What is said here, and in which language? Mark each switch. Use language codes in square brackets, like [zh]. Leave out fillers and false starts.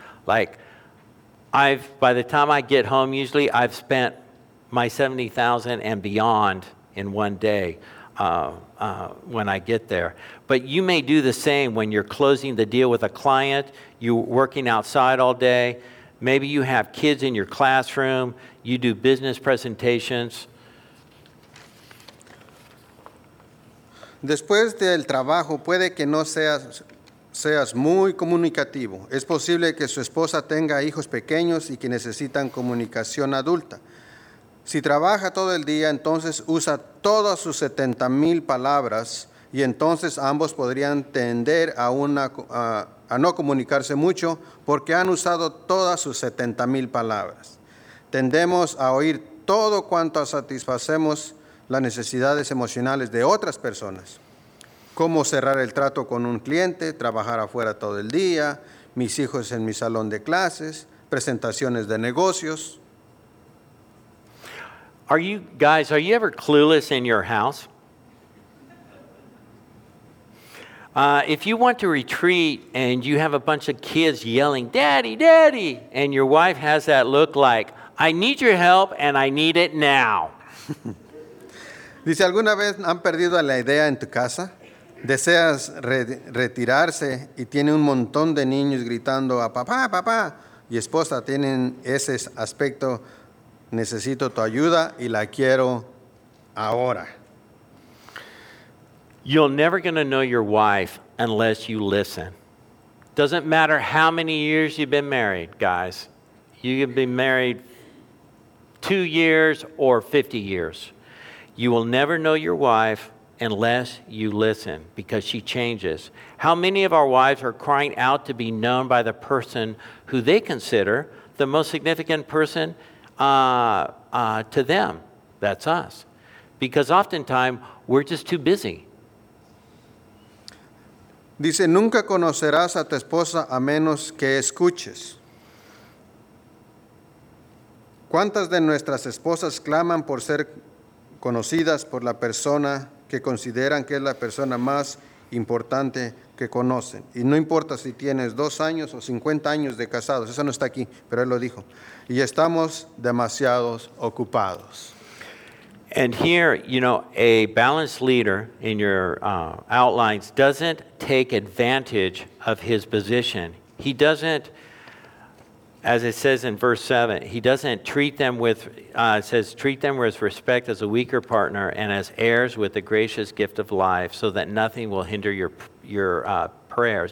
[en] Like, by the time I get home, usually I've spent my 70,000 and beyond in one day when I get there. But you may do the same when you're closing the deal with a client, you're working outside all day, maybe you have kids in your classroom, you do business presentations. [es] Después del trabajo, puede que no seas muy comunicativo. Es posible que su esposa tenga hijos pequeños y que necesitan comunicación adulta. Si trabaja todo el día, entonces usa todas sus 70,000 palabras y entonces ambos podrían tender a no comunicarse mucho porque han usado todas sus 70,000 palabras. Tendemos a oír todo cuanto satisfacemos las necesidades emocionales de otras personas. Cómo cerrar el trato con un cliente, trabajar afuera todo el día, mis hijos en mi salón de clases, presentaciones de negocios. [en] Are you guys ever clueless in your house? If you want to retreat and you have a bunch of kids yelling, "Daddy, Daddy," and your wife has that look like, "I need your help and I need it now." [es] Dice, ¿alguna vez han perdido la idea en tu casa? Deseas retirarse y tiene un montón de niños gritando a papá, papá, y esposa tienen ese aspecto, necesito tu ayuda y la quiero ahora. [en] You're never going to know your wife unless you listen. Doesn't matter how many years you've been married, guys. You can be married 2 years or 50 years. You will never know your wife unless you listen, because she changes. How many of our wives are crying out to be known by the person who they consider the most significant person to them? That's us. Because oftentimes, we're just too busy. [es] Dice, nunca conocerás a tu esposa a menos que escuches. ¿Cuántas de nuestras esposas claman por ser conocidas por la persona que consideran que es la persona más importante que conocen? Y no importa si tienes 2 años o 50 años de casados, eso no está aquí, pero él lo dijo. Y estamos demasiado ocupados. [en] And here, you know, a balanced leader in your outlines doesn't take advantage of his position. He doesn't, as it says in verse 7, he doesn't treat them with, treat them with respect as a weaker partner and as heirs with the gracious gift of life, so that nothing will hinder your prayers.